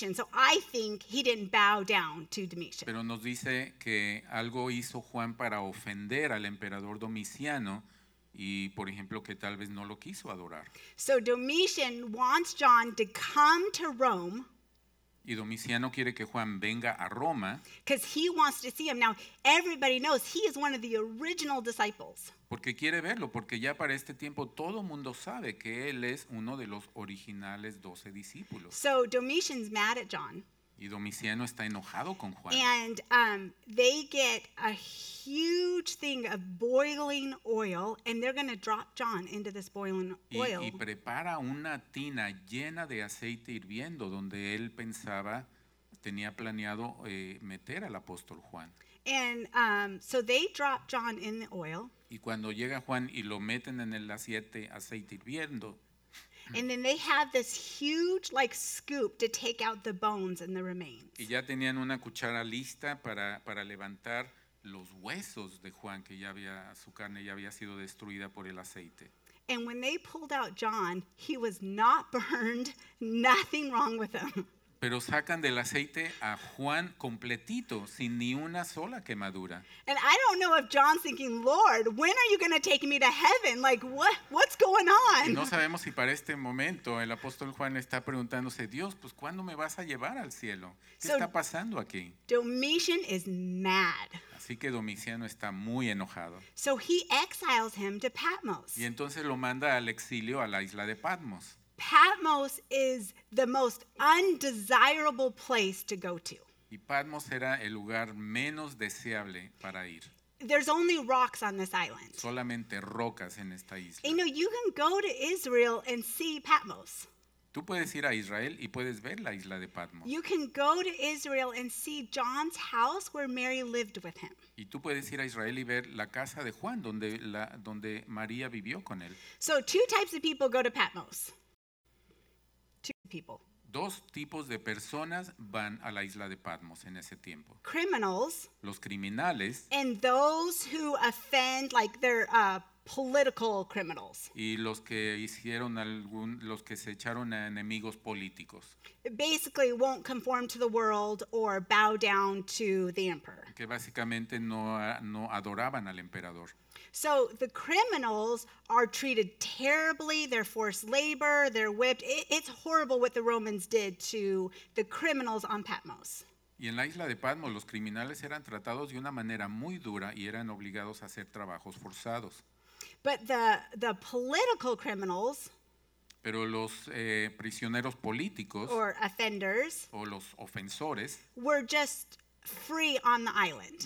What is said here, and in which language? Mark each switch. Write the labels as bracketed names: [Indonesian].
[English] So I think he didn't bow down to Domitian. [Spanish] Pero nos dice que algo hizo Juan para ofender al emperador Domiciano. Y, por ejemplo, que tal vez no lo quiso adorar. [English] So Domitian wants John to come to Rome. [Spanish] Y Domiciano quiere que Juan venga a Roma. [English] Because he wants to see him. Now, everybody knows he is one of the original disciples. [Spanish] Porque quiere verlo, porque ya para este tiempo todo mundo sabe que él es uno de los originales 12 discípulos. [English] So Domitian's mad at John. [Spanish] Y Domiciano está enojado con Juan. [English] And they get a huge thing of boiling oil, and they're going to drop John into this boiling oil. [Spanish] Y prepara una tina llena de aceite hirviendo donde él pensaba, tenía planeado meter al apóstol Juan. [English] And so they drop John in the oil. [Spanish] Y cuando llega Juan y lo meten en el aceite hirviendo, [English] and then they have this huge, like, scoop to take out the bones and the remains. [Spanish] Y ya tenían una cuchara lista para levantar los huesos de Juan, que ya había, su carne ya había sido destruida por el aceite. [English] And when they pulled out John, he was not burned, nothing wrong with him. [Spanish] Pero sacan del aceite a Juan completito, sin ni una sola quemadura. [English] And I don't know if John's thinking, Lord, when are you going to take me to heaven? Like, what's going on? [Spanish] No sabemos si para este momento el apóstol Juan está preguntándose, Dios, pues, ¿cuándo me vas a llevar al cielo? ¿Qué está pasando aquí? [English] Domitian is mad. [Spanish] Así que Domiciano está muy enojado. [English] So he exiles him to Patmos. [Spanish] Y entonces lo manda al exilio a la isla de Patmos. [English] Patmos is the most undesirable place to go to. [Spanish] Y Patmos era el lugar menos deseable para ir. [English] There's only rocks on this island. [Spanish] Solamente rocas en esta isla. [English] You know, you can go to Israel and see Patmos. [Spanish] Tú puedes ir a Israel y puedes ver la isla de Patmos. [English] You can go to Israel and see John's house where Mary lived with him. [Spanish] Y tú puedes ir a Israel y ver la casa de Juan donde María vivió con él. [English] So two types of people go to Patmos. People. [Spanish] Dos tipos de personas van a la isla de Patmos en ese tiempo. [English] Criminals. [Spanish] Los criminales. [English] And those who offend, like they're political criminals. [Spanish] Y los que hicieron los que se echaron a enemigos políticos. [English] Basically won't conform to the world or bow down to the emperor. [Spanish] Que básicamente no adoraban al emperador. [English] So the criminals are treated terribly, they're forced labor, they're whipped. It's horrible what the Romans did to the criminals on Patmos. [Spanish] Y en la isla de Patmos los criminales eran tratados de una manera muy dura y eran obligados a hacer trabajos forzados. [English] But the political criminals, [Spanish] pero los prisioneros políticos, [English] or offenders, [Spanish] o los ofensores, [English] were just free on the island.